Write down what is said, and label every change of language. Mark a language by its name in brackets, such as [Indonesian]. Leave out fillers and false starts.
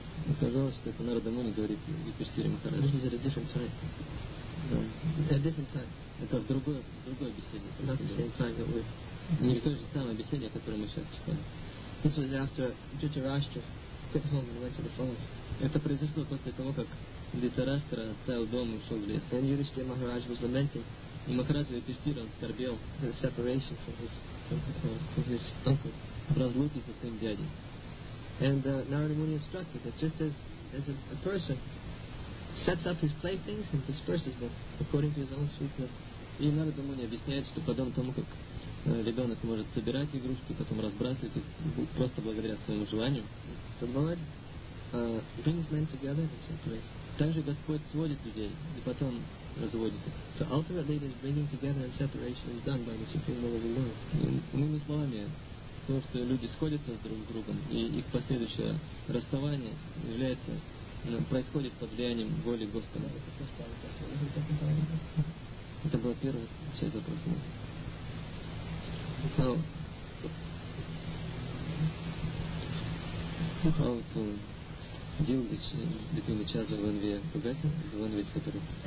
[Russian] Оказалось, что это Нарада Муни говорит Юдхиштхире Махараджу. [English] This is a different time. Yeah. A different time. [Russian] Это в другой беседе. [English] Not the same time that we're... [Russian] Не в той же самой беседе, о которой мы сейчас читаем. [English] This was after Dhritarashtra got home and went to the forest. [Russian] Это произошло после того, как Дхритараштра оставил дом и ушел в лес. [English] And Юдхиштхира Махарадж was lamenting. [Russian] И Махараджа Юдхиштхира скорбел. [English] The separation from his uncle. [Russian] Разлуки со своим дядей. [English] And Narada Muni instructed that just as a person sets up his playthings and disperses them according to his own sweet will. [Russian] И Narada Muni объясняет, что подобно тому, как ребенок может собирать игрушки, потом разбрасывать их просто благодаря своему желанию. [English] So the Lord brings men together and separates. [Russian] Также Господь сводит людей и потом разводит их. [English] So ultimately this bringing together and separation is done by the Supreme Will of the Lord. [Russian] Иными словами, то, что люди сходятся друг с другом, и их последующее расставание является, происходит под влиянием воли Господа. Это была первая часть вопроса. [English] So, how to deal with between each other when we are together, when we separate?